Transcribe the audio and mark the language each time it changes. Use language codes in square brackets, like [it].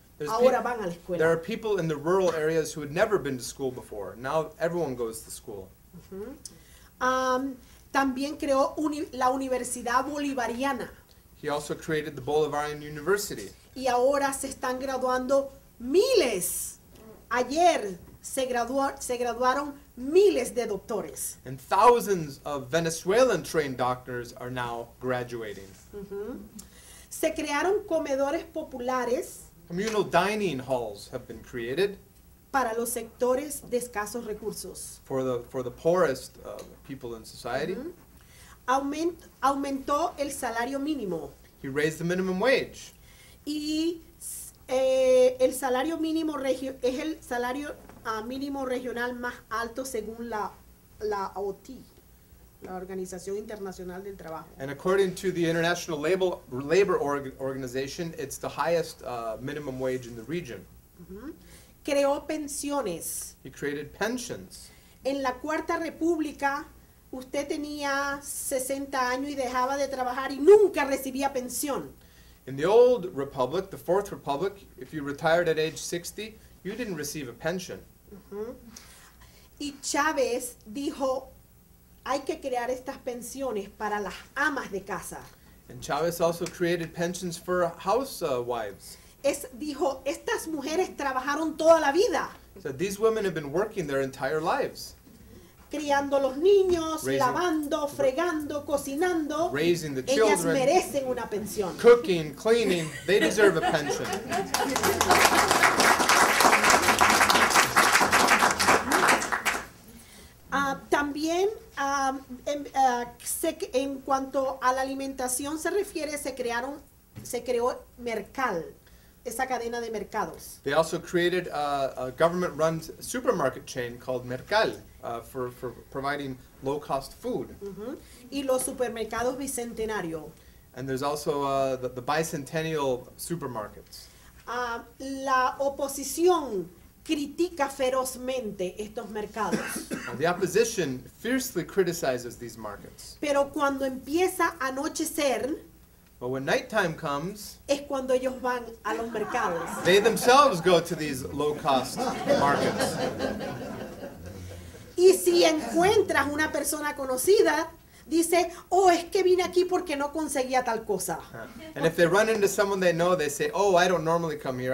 [es] Van a la escuela. [en] There are people in the rural areas who had never been to school before. Now everyone goes to school. [es] Uh-huh. También creó la Universidad Bolivariana. [en] He also created the Bolivarian University. [es] Y ahora se están graduando miles. Ayer se graduaron miles de doctores. [en] And thousands of Venezuelan-trained doctors are now graduating. [es] Uh-huh. Se crearon comedores populares. [en] Communal dining halls have been created. [es] Para los sectores de escasos recursos. [en] For the poorest people in society. Uh-huh. [es] Aumentó el salario mínimo. [en] He raised the minimum wage. [es] Y el salario mínimo es el salario mínimo regional más alto según la OIT, la Organización Internacional del Trabajo. [en] And according to the International Labor Organization, it's the highest minimum wage in the region. [es] Uh-huh. Creó pensiones. [en] He created pensions. [es] En la Cuarta República, usted tenía 60 años y dejaba de trabajar y nunca recibía pensión. [en] In the old republic, the Fourth Republic, if you retired at age 60, you didn't receive a pension. Mm-hmm. [es] Y Chávez dijo, hay que crear estas pensiones para las amas de casa. [en] And Chávez also created pensions for housewives. [es] Dijo, estas mujeres trabajaron toda la vida. [en] So these women have been working their entire lives. [es] Criando los niños, [en] raising, [es] lavando, fregando, cocinando. [en] Raising the children. [es] Ellas merecen una pensión. [en] Cooking, cleaning, they deserve a pension. [es] También, en cuanto a la alimentación se refiere, se creó Mercal, esa cadena de mercados. [en] They also created a government-run supermarket chain called Mercal. For providing low-cost food. [es] Mm-hmm. Y los supermercados bicentenario. [en] And there's also the bicentennial supermarkets. [es] La oposición critica ferozmente estos mercados. [en] The opposition fiercely criticizes these markets. [es] Pero cuando empieza a anochecer, [en] but when nighttime comes, [es] es cuando ellos van a los mercados. [en] They themselves go to these low-cost markets. [es] Y si encuentras una persona conocida, dice, oh, es que vine aquí porque no conseguía tal cosa. [en] And if they run into someone they know, they say, oh, I don't normally come here.